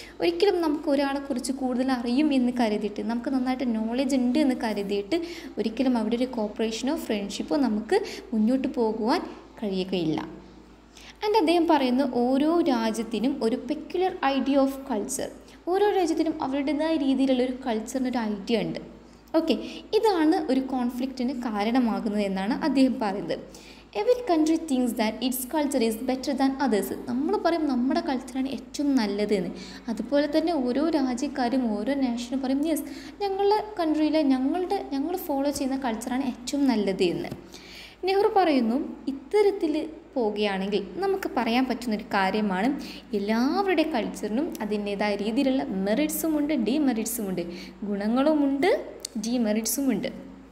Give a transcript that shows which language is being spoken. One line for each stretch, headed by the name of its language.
Malayalam: ഒരിക്കലും നമുക്ക് ഒരാളെ കുറിച്ച് കൂടുതൽ അറിയും എന്ന് കരുതിയിട്ട്, നമുക്ക് നന്നായിട്ട് നോളജ് ഉണ്ട് എന്ന് കരുതിയിട്ട് ഒരിക്കലും അവിടെ ഒരു കോപ്പറേഷനോ ഫ്രണ്ട്ഷിപ്പോ നമുക്ക് മുന്നോട്ട് പോകുവാൻ കഴിയുകയില്ല. ആൻഡ് അദ്ദേഹം പറയുന്നു ഓരോ രാജ്യത്തിനും ഒരു
English: peculiar idea of culture,
Malayalam: ഓരോ രാജ്യത്തിനും അവരുടേതായ രീതിയിലുള്ള ഒരു കൾച്ചറിനൊരു ഐഡിയ ഉണ്ട്. ഓക്കെ, ഇതാണ് ഒരു കോൺഫ്ലിക്റ്റിന് കാരണമാകുന്നത് എന്നാണ് അദ്ദേഹം പറയുന്നത്.
English: Every country thinks that its culture is better than others.
Malayalam: നമ്മൾ പറയും നമ്മുടെ കൾച്ചറാണ് ഏറ്റവും നല്ലതെന്ന്. അതുപോലെ തന്നെ ഓരോ രാജ്യക്കാരും ഓരോ നാഷനും പറയും യെസ്, ഞങ്ങളുടെ കൺട്രിയിലെ ഞങ്ങൾ ഫോളോ ചെയ്യുന്ന കൾച്ചറാണ് ഏറ്റവും നല്ലത് എന്ന്. നെഹ്റു പറയുന്നു ഇത്തരത്തിൽ പോവുകയാണെങ്കിൽ നമുക്ക് പറയാൻ പറ്റുന്നൊരു കാര്യമാണ് എല്ലാവരുടെ കൾച്ചറിനും അതിൻ്റെതായ രീതിയിലുള്ള മെറിറ്റ്സുമുണ്ട് ഡിമെറിറ്റ്സുമുണ്ട്, ഗുണങ്ങളുമുണ്ട് ഡിമെറിറ്റ്സുമുണ്ട്.